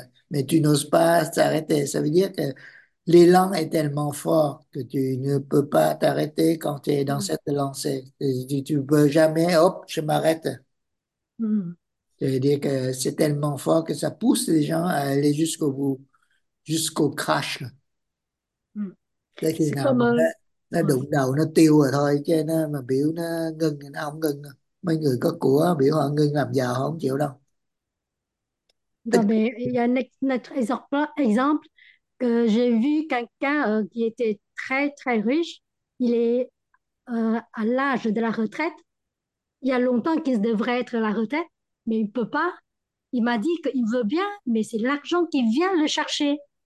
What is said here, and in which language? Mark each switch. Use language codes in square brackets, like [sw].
[fr] Mais tu n'oses pas t'arrêter. Ça veut dire que l'élan est tellement fort que tu ne peux pas t'arrêter quand tu es dans cette lancée. Tu ne peux jamais, hop, je m'arrête. C'est-à-dire que c'est tellement fort que ça pousse les gens à aller jusqu'au bout, jusqu'au crash. [vi] Là, khi [fr] C'est [vi] nào [fr] comme [vi] nó đụng đầu nó tiêu rồi thôi, chứ mà biểu nó ngưng thì nó không ngưng. Mấy người có của biểu họ ngưng làm giàu không chịu đâu. [fr] Non, mais il y a notre exemple que j'ai vu quelqu'un qui était très, très riche. Il est à l'âge de la retraite. Il y a longtemps qu'il devrait être à la retraite, mais il ne peut pas. Il m'a dit qu'il veut bien, mais c'est l'argent qui vient le chercher.